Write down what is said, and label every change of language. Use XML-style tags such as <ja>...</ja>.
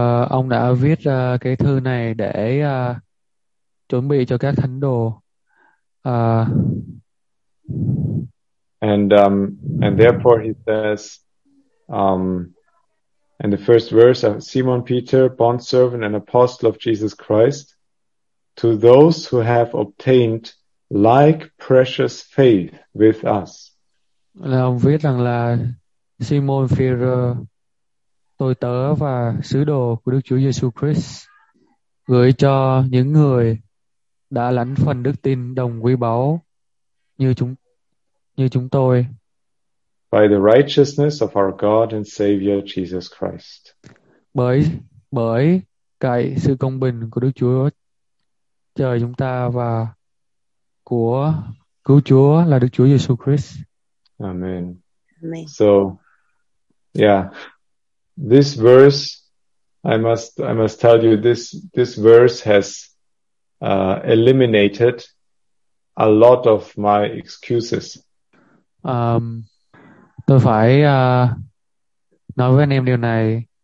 <vi>Ông đã viết cái thư này để chuẩn bị cho các thánh đồ.</vi> <en>And therefore he says in the first verse of Simon Peter, bondservant and apostle of Jesus Christ, to those who have obtained like precious faith with us.</en> <vi>Là ông viết rằng là Simon Peter, tôi tớ và sứ đồ của Đức Chúa Giêsu Christ, gửi cho những người đã lãnh phần đức tin đồng quý báu như chúng tôi.</vi> <en>By the righteousness of our God and Savior Jesus Christ.</en> <vi>Bởi cậy sự công bình của Đức Chúa Trời chúng ta và của cứu Chúa là Đức Chúa Giêsu Christ.</vi> <en>Amen. Amen. So, yeah. This verse, I must tell you, this verse has eliminated a lot of my excuses.</en> <vi>Tôi phải nói với anh em điều này.</vi>